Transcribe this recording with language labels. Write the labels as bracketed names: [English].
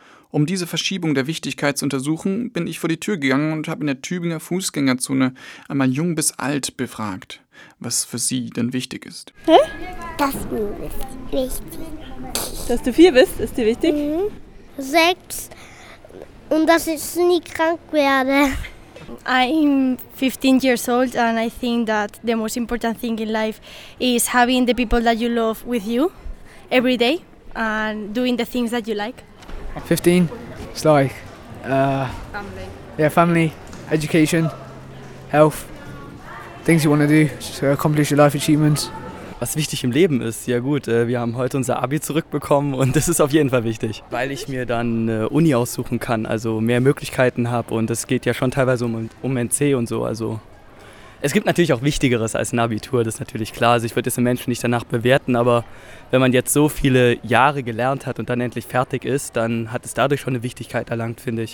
[German] Um diese Verschiebung der Wichtigkeit zu untersuchen, bin ich vor die Tür gegangen und habe in der Tübinger Fußgängerzone einmal jung bis alt befragt, was für sie denn wichtig ist. Hä? Das ist wichtig. Dass du 4 bist, ist dir wichtig? Mhm. 6. Und dass ich nie krank werde. [English] I'm 15 years old and I think that the most important thing in life is having the people that you love with you every day and doing the things that you like. 15, it's like, family. Yeah, family, education, health, things you want to do to accomplish your life achievements. [German] Was wichtig im Leben ist, ja gut, wir haben heute unser Abi zurückbekommen und das ist auf jeden Fall wichtig, weil ich mir dann eine Uni aussuchen kann, also mehr Möglichkeiten habe und es geht ja schon teilweise um NC und so, also es gibt natürlich auch Wichtigeres als ein Abitur, das ist natürlich klar, also ich würde jetzt den Menschen nicht danach bewerten, aber wenn man jetzt so viele Jahre gelernt hat und dann endlich fertig ist, dann hat es dadurch schon eine Wichtigkeit erlangt, finde ich.